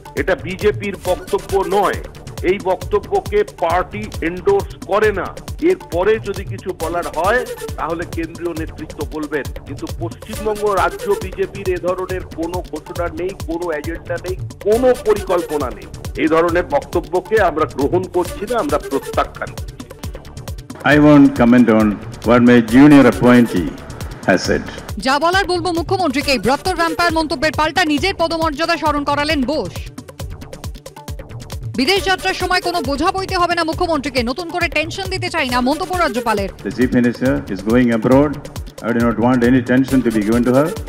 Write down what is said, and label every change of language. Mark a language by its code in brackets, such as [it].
[bn] এটা বিজেপির বক্তব্য নয়, এই বক্তব্যকে পার্টি এন্ডোর্স করে না। এরপরে যদি কিছু বলার হয় তাহলে কেন্দ্রীয় নেতৃত্ব বলবেন, কিন্তু পশ্চিমবঙ্গ রাজ্য বিজেপির এ ধরনের কোনো ঘোষণা নেই, কোনো এজেন্ডা নেই, কোনো পরিকল্পনা নেই। এই ধরনের বক্তব্যকে আমরা গ্রহণ করছি না, আমরা প্রত্যাখ্যান করছি। [en] I won't comment on what my junior appointee has said. [bn] যা বলার বলবো মুখ্যমন্ত্রীকে, বৃহত্তর রামপায়ের মন্তব্যের পাল্টা নিজের পদমর্যাদা স্মরণ করালেন বোস। বিদেশ যাত্রার সময় কোনো বোঝা বইতে হবে না মুখ্যমন্ত্রীকে, নতুন করে টেনশন দিতে চাই না মন্তব্য রাজ্যপালের। [en] The chief minister is going abroad, I do not want any tension to be given to her.